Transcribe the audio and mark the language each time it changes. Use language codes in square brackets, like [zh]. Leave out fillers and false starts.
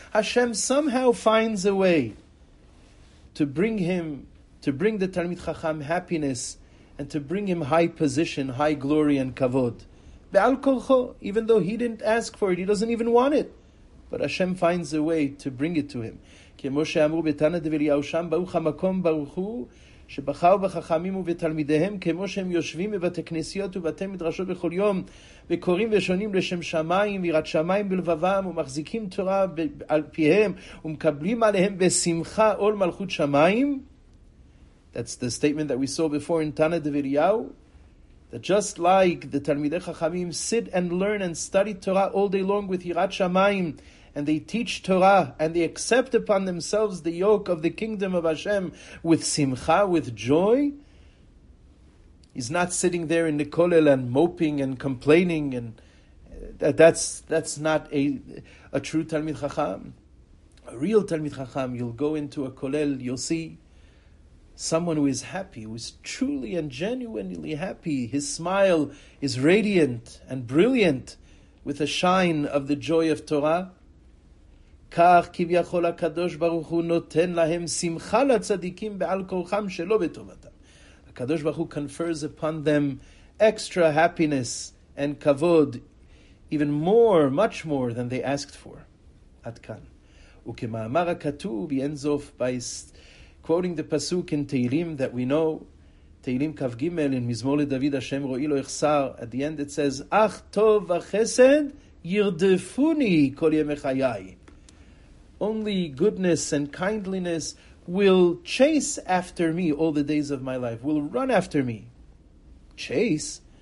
[en] Hashem somehow finds a way to bring him, to bring the Talmid Chacham happiness, and to bring him high position, high glory and kavod. [he] Be'al korcho, [en] even though he didn't ask for it, he doesn't even want it. But Hashem finds a way to bring it to him. [he] כמו שאמרו בתנא דבי אליהו שם, ברוך המקום ברוך הוא, שבחר בחכמים ובתלמידיהם, כמו שהם יושבים בבתי כנסיות ובתי מדרשות בכל יום, וקוראים ושונים לשם שמיים, ויראת שמיים בלבבם, ומחזיקים תורה על פיהם, ומקבלים עליהם בשמחה עול מלכות שמיים. [en] That's the statement that we saw before in תנא דבי אליהו, that just like the תלמידי חכמים sit and learn and study Torah all day long with יראת שמיים, and they teach Torah, and they accept upon themselves the yoke of the kingdom of Hashem with simcha, with joy. He's not sitting there in the kollel and moping and complaining, and that's not a true Talmid Chacham. A real Talmid Chacham, you'll go into a kollel, you'll see someone who is happy, who is truly and genuinely happy. His smile is radiant and brilliant with a shine of the joy of Torah. [he] כך כביכול הקדוש ברוך הוא נותן להם שמחה לצדיקים בעל כורחם שלא בטובתם. [en] הקדוש ברוך הוא confers upon them extra happiness and כבוד, even more, much more than they asked for. [he] עד כאן. וכמאמר הכתוב, ינזוף, [en] by quoting the pasuk in תהילים that we know, [he] תהילים כ' ג' in מזמור לדוד השם רואי לו יחסר, [en] at the end it says, [he] אך טוב וחסד ירדפוני כל ימי חיי. [en] Only goodness and kindliness will chase after me all the days of my life, will run after me. Chase?